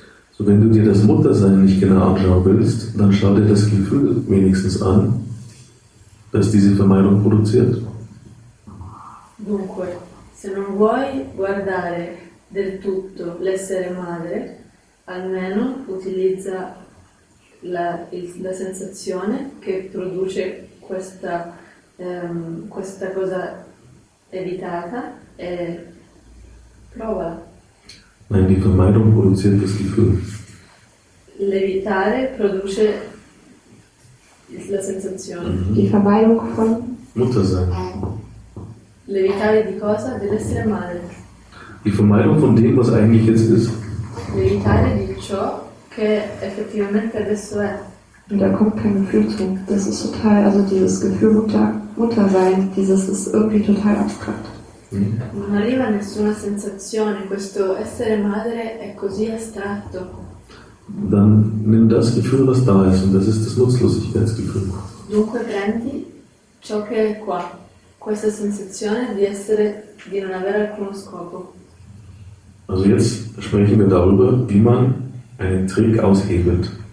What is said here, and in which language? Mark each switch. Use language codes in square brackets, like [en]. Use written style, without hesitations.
[de] So, wenn du dir das Muttersein nicht genau anschauen willst, dann schau dir das Gefühl wenigstens an, das diese Vermeidung produziert. [it] Dunque, se non vuoi guardare del tutto l'essere madre, almeno utilizza la sensazione che produce questa cosa evitata e provala. [de] Nein, die Vermeidung produziert das Gefühl. [it] L'evitare produce la sensazione. [de] Mm-hmm. Die Vermeidung von Muttersein. [it] Levitare di cosa? Dell'essere madre. [de] Die Vermeidung von dem, was eigentlich jetzt ist. [it] Levitare di ciò che effettivamente adesso è. [de] Und da kommt kein Gefühl zu. Das ist total, also dieses Gefühl Mutter sein, dieses ist irgendwie total abstrakt. Mm. [it] Non arriva nessuna sensazione, questo essere madre è così astratto. [de] Dann nimm das Gefühl, was da ist, und das ist das Nutzlosigkeitsgefühl. [it] Dunque prendi ciò che è qua. Questa sensazione di essere, di non avere alcuno scopo. [de] Also jetzt sprechen wir darüber, wie man einen Trick aushebelt.